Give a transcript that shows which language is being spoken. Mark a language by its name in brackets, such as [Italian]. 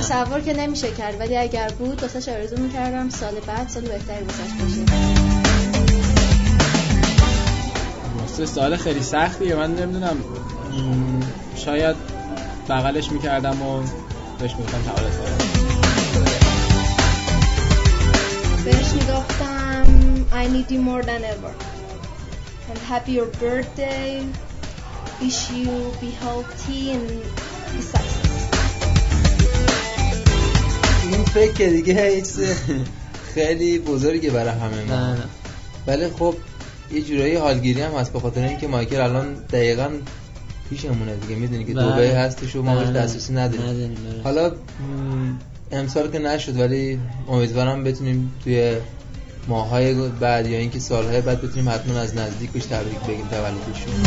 [Persian] تصور که نمیشه کرد، ولی اگر بود واسش آرزو میکردم سال بعد سال بهتری واسش باشه. سوال خیلی سختیه، من نمیدونم، شاید بغلش میکردم و بهش میگفتم تعالی سلام، بهش میگفتم [English] I need you more than ever and happy your birthday, wish you be healthy and be successful. [Persian] این فکر دیگه هیچ خیلی بزرگه برای همه ما. بله، خب یه جورایی حالگیری هم هست به خاطر اینکه مایکل الان دقیقاً پیشمونه دیگه، میدونی که دبی هستش و ما بهش دسترسی نداریم. حالا امسال که نشد، ولی امیدوارم بتونیم توی ماهای بعد یا اینکه سالهای بعد بتونیم حتما از نزدیکش تبریک بگیم تولدش.